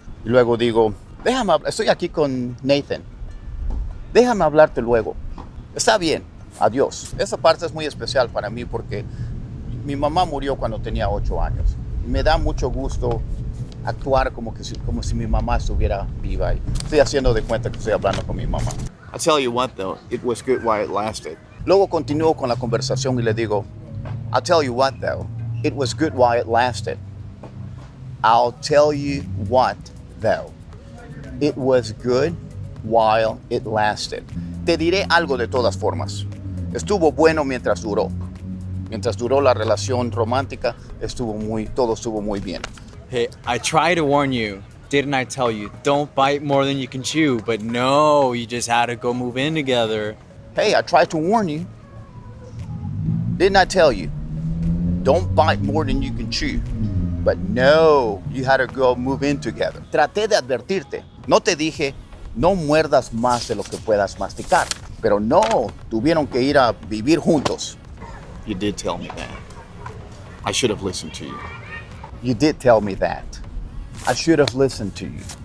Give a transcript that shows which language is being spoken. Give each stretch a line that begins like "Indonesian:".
Spanish: Y luego digo, déjame, estoy aquí con Nathan. Déjame hablarte luego. Está bien, adiós. Esa parte es muy especial para mí porque mi mamá murió cuando tenía 8 años. Y me da mucho gusto actuar como si mi mamá estuviera viva. Y estoy haciendo de cuenta que estoy hablando con mi mamá.
English: I'll tell you what though, it was good while it lasted.
Spanish: Luego continúo con la conversación y le digo, I'll tell you what though, it was good while it lasted.
English: I'll tell you what though, it was good while it lasted.
Spanish: Te diré algo de todas formas. Estuvo bueno mientras duró. Mientras duró la relación romántica, todo estuvo muy bien.
English: Hey, I tried to warn you. Didn't I tell you? Don't bite more than you can chew. But no, you just had to go move in together. Hey, I tried to warn you. Didn't I tell you? Don't bite more than you can chew. But no, you had to go move in together.
Spanish: Traté de advertirte. No te dije, no muerdas más de lo que puedas masticar. Pero no, tuvieron que ir a vivir juntos.
English: You did tell me that. I should have listened to you. You did tell me that. I should have listened to you.